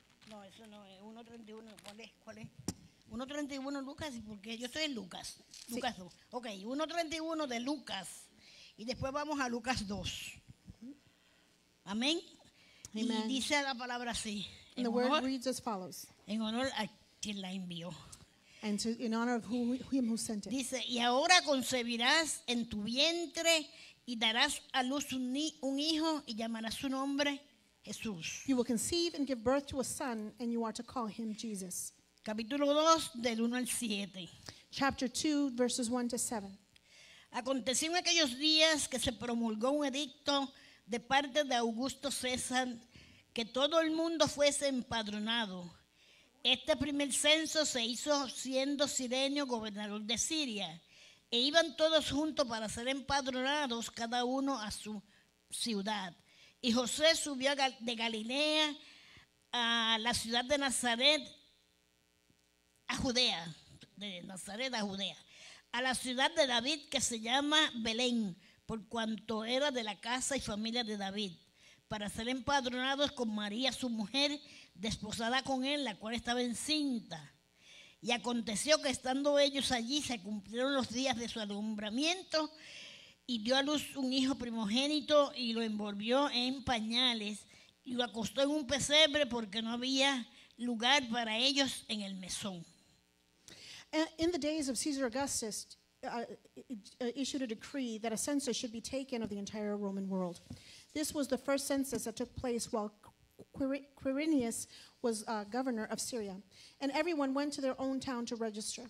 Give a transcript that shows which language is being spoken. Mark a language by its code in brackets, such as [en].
[es] No, eso no es 1:31. ¿Cuál es? 1:31 Lucas, porque yo estoy en Lucas. Lucas sí. 2. Okay, 1:31 de Lucas. Y después vamos a Lucas 2. Mm-hmm. Amén. Amen. Y dice la palabra así. [en] And the word reads as follows. [es] En honor a quien la envió. [en] And to, in honor of him who sent it. [es] Dice, y ahora concebirás en tu vientre y darás a luz un hijo y llamarás su nombre Jesús. [en] You will conceive and give birth to a son and you are to call him Jesus. [es] Capítulo 2 del 1 al 7. [en] Chapter 2 verses 1 to 7. [es] Aconteció en aquellos días que se promulgó un edicto de parte de Augusto César que todo el mundo fuese empadronado. Este primer censo se hizo siendo Sirenio gobernador de Siria. E iban todos juntos para ser empadronados, cada uno a su ciudad. Y José subió de Galilea a la ciudad de Nazaret, a Judea, de Nazaret a Judea, a la ciudad de David que se llama Belén, por cuanto era de la casa y familia de David, para ser empadronados con María, su mujer, desposada con él, la cual estaba encinta. Y aconteció que estando ellos allí se cumplieron los días de su alumbramiento y dio a luz un hijo primogénito y lo envolvió en pañales y lo acostó en un pesebre porque no había lugar para ellos en el mesón. [en] In the days of Caesar Augustus, issued a decree that a census should be taken of the entire Roman world. This was the first census that took place while Quirinius was governor of Syria, and everyone went to their own town to register.